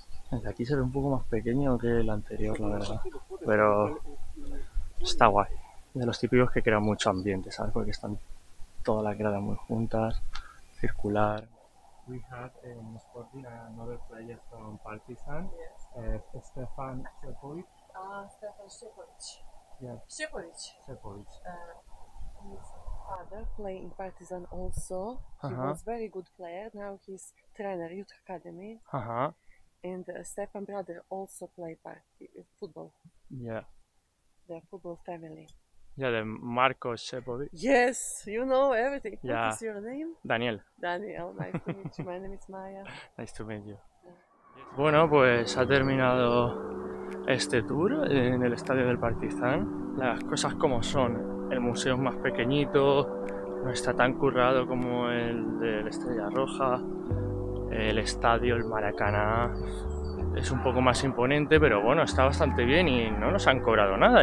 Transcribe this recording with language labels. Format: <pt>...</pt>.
<es>Desde aquí se ve un poco más pequeño que el anterior, la verdad. Pero está guay. De los típicos que crean mucho ambiente, ¿sabes? Porque están todas las gradas muy juntas, circular.</es> <en>We have in Sporting another player from Partizan, Stefan Šepović. Stefan Šepović. Yeah. Šepović. Šepović. Father played in Partizan also. He was very good player. Now he's trainer youth academy. And Stefan's brother also play football. Yeah. The football family. Yeah, the Marco Šepović. Yes, you know everything. Yeah. What is your name? Daniel. Daniel, nice to meet you. My name is Maya. Nice to meet you.</en> <es>Bueno, pues ha terminado este tour en el estadio del Partizan. Las cosas como son. El museo es más pequeñito, no está tan currado como el de la Estrella Roja. El estadio, el Maracaná, es un poco más imponente, pero bueno, está bastante bien y no nos han cobrado nada.</es>